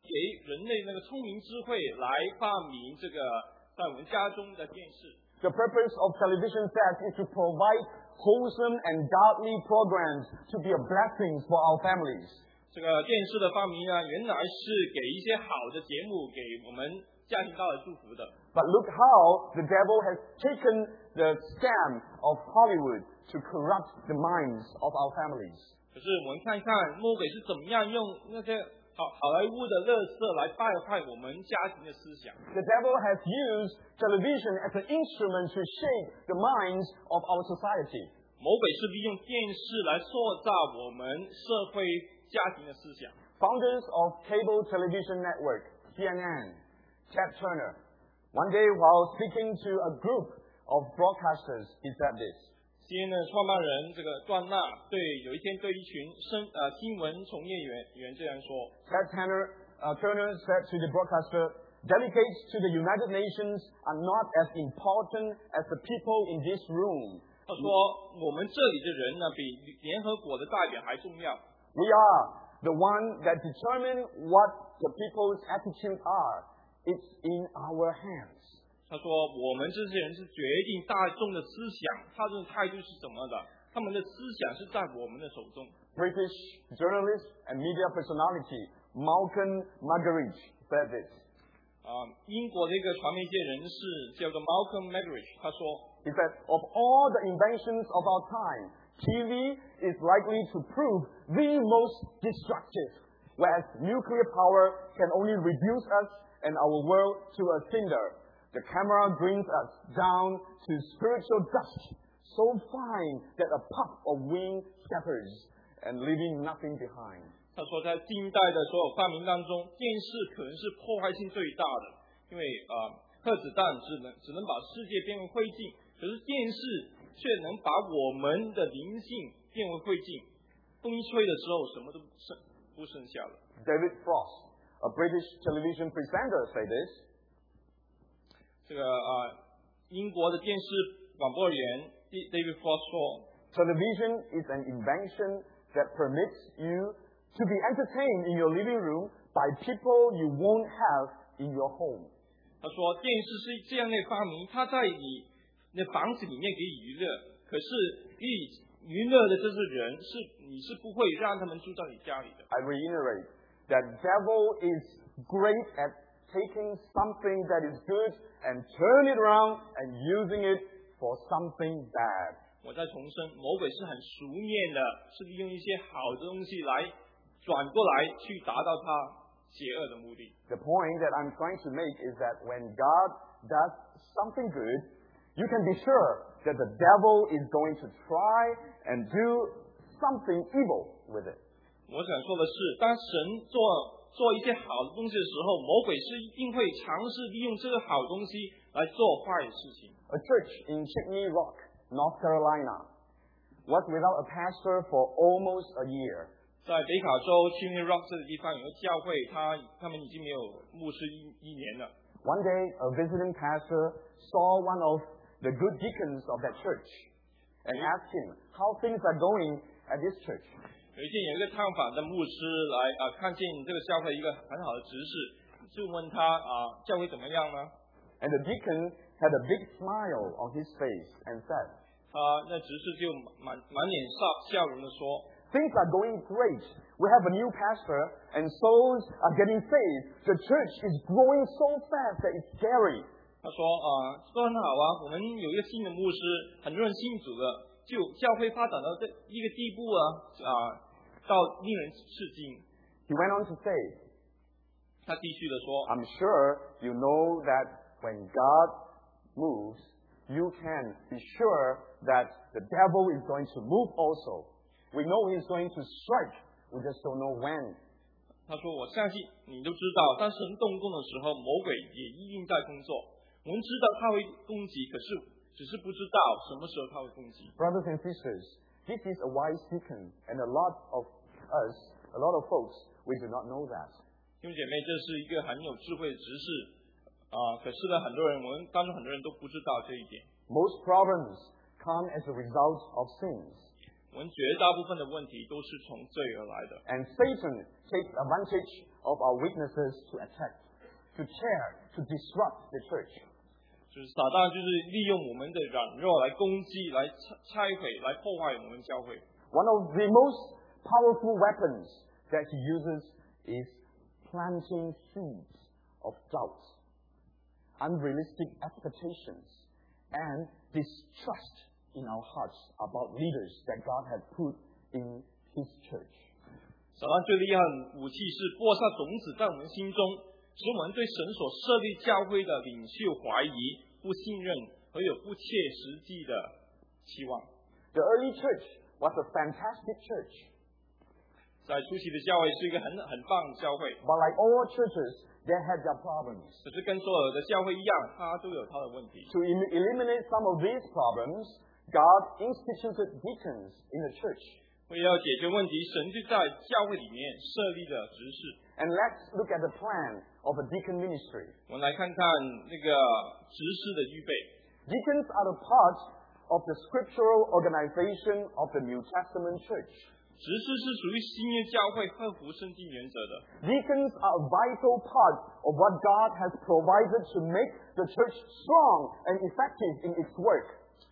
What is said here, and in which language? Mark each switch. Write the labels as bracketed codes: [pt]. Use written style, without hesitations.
[zh] 人类那个聪明智慧来发明这个在我们家中的电视。 [en] The purpose of television sets is to provide wholesome and godly programs to be a blessing for our families. [zh] 这个电视的发明啊，原来是给一些好的节目给我们家庭带来祝福的。 [en] But look how the devil has taken the scam of Hollywood to corrupt the minds of our families. [zh] 可是我们看看魔鬼是怎么样用那些好莱坞的垃圾来败坏我们家庭的思想。 [en] The devil has used television as an instrument to shape the minds of our society. [zh] 魔鬼是利用电视来塑造我们社会家庭的思想。 [en] Founders of cable television network, CNN, Jack Turner, one day while speaking to a group of broadcasters, he said this. [zh] CNN 的创办人这个段纳对有一天对一群新闻从业员这样说 [en] Ted Turner said to the broadcaster, Delegates to the United Nations are not as important as the people in this room. [zh] 他说我们这里的人呢比联合国的代表还重要。 [en] We are the one that determine what the people's attitude are. It's in our hands. [zh] 他说我们这些人是决定大众的思想大众的态度是什么的他们的思想是在我们的手中 [en] British journalist and media personality Malcolm Muggeridge said this [zh] 英国的一个传媒界人士叫做 Malcolm Muggeridge 他说 [en] He said of all the inventions of our time TV is likely to prove the most destructive whereas nuclear power can only reduce us and our world to a cinderThe camera brings us down to spiritual dust, so fine that a puff of wind scatters and leaving nothing behind. [zh] 他说在近代的所有发明当中，电视可能是破坏性最大的，因为核子弹只能把世界变为灰烬，可是电视却能把我们的灵性变为灰烬。风一吹的时候，什么都不剩下了。 [en] David Frost, a British television presenter, said this. [zh] 这个英国的电视广播员 David Frost 说 [en] Television is an invention that permits you to be entertained in your living room by people you won't have in your home. [zh] 他说电视是这样的发明它在你的房子里面给你娱乐可是娱乐的这些人是你是不会让他们住在你家里的。 [en] I reiterate that devil is great at taking something that is goodand turn it around and using it for something bad. [zh] 我再重申，魔鬼是很熟练的，是利用一些好的东西来转过来去达到他邪恶的目的。 [en] The point that I'm trying to make is that when God does something good, you can be sure that the devil is going to try and do something evil with it. [zh] 我想说的是，当神做一些好的东西的时候，魔鬼是一定会尝试利用这个好东西来做坏的事情。 [en] A church in Chimney Rock, North Carolina, was without a pastor for almost a year. [zh] 在北卡州 Chimney Rock 这个地方有个教会，他们已经没有牧师一年了。 [en] One day, a visiting pastor saw one of the good deacons of that church and asked him how things are going at this church. [zh] 有一天，有一个探访的牧师来看见这个教会一个很好的执事，就问他教会怎么样呢 [en] ？And the deacon had a big smile on his face and said, [zh] 那执事就满脸笑容的说 [en] ，Things are going great. We have a new pastor, and souls are getting saved. The church is growing so fast that it's scary. [zh] 他说都很好啊，我们有一个新的牧师，很多人信主的。就教会发展到这一个地步到令人吃惊。 [en] He went on to say, [zh] 他继续地说 [en] I'm sure you know that when God moves, you can be sure that the devil is going to move also. We know he's going to strike, we just don't know when. [zh] 他说我相信你都知道当神动工的时候魔鬼也一定在工作。我们知道他会攻击可是只是不知道什么时候他会攻击。 [en] Brothers and sisters, this is a wise deacon, and a lot of folks, we do not know that. [zh] 弟兄姐妹，这是一个很有智慧的执事，可是呢，很多人，我们当中很多人都不知道这一点。 [en] Most problems come as a result of sins. [zh] 我们绝大部分的问题都是从罪而来的。 [en] And Satan takes advantage of our weaknesses to attack, to tear, to disrupt the church. [zh] 就是撒旦就是利用我们的软弱来攻击、来拆毁、来破坏我们教会。 [en] One of the most powerful weapons that he uses is planting seeds of doubt, unrealistic expectations, and distrust in our hearts about leaders that God has put in His church. [zh] 撒旦最厉害的武器是播下种子在我们心中，使我们对神所设立教会的领袖怀疑、不信任和有不切实际的期望。 [en] The early church was a fantastic church. [zh] 在初期的教会是一个很棒的教会。 [en] But like all churches, they had their problems. [zh] 只是跟所有的教会一样，它都有它的问题。 [en] To eliminate some of these problems, God instituted deacons in the church. [zh] 为了解决问题，神就在教会里面设立了执事。 [en] And let's look at the plan of a deacon ministry. [zh] 我们来看看那个执事的预备。 [en] Deacons are the part of the scriptural organization of the New Testament church. [zh] 执事是属于新约教会合乎圣经原则的。 [en] Deacons are a vital part of what God has provided to make the church strong and effective in its work.